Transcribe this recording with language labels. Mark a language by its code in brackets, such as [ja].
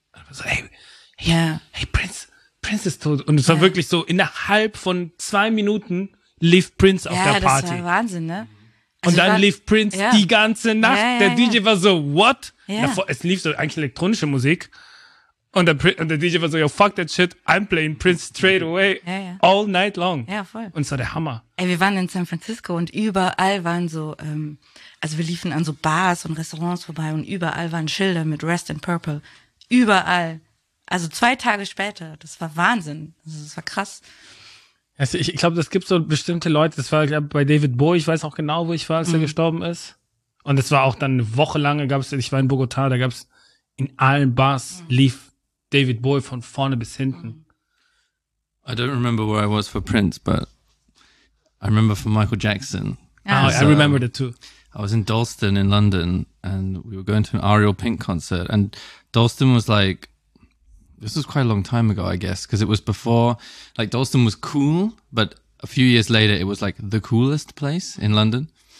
[de] So, hey, Prince ist tot. Und es war wirklich so, innerhalb von 2 Minuten lief Prince auf der Party. Ja, das war Wahnsinn, ne? Und dann lief Prince die ganze Nacht. Der DJ war so, what? Ja. Es lief so eigentlich elektronische Musik. [en] Und der DJ war so, yo, fuck that shit, I'm playing Prince straight away, all night long. [de] Ja, voll. Und es war der Hammer. Ey, wir waren in San Francisco und überall waren so, also wir liefen an so Bars und Restaurants vorbei und überall waren Schilder mit Rest in Purple. Überall. Also 2 Tage später, das war Wahnsinn. Also das war krass. Also ich glaube, das gibt so bestimmte Leute, das war bei David Bowie, ich weiß auch genau, wo ich war, als er gestorben ist. Und es war auch dann eine Woche lang, ich war in Bogotá, da gab es in allen Bars lief David Bowie von vorne bis hinten. [en] I don't remember where I was for Prince, but I remember for Michael Jackson. I remember that too. I was in Dalston in London and we were going to an Ariel Pink concert. And Dalston was like, this was quite a long time ago, I guess, because it was before, like Dalston was cool, but a few years later it was like the coolest place in London.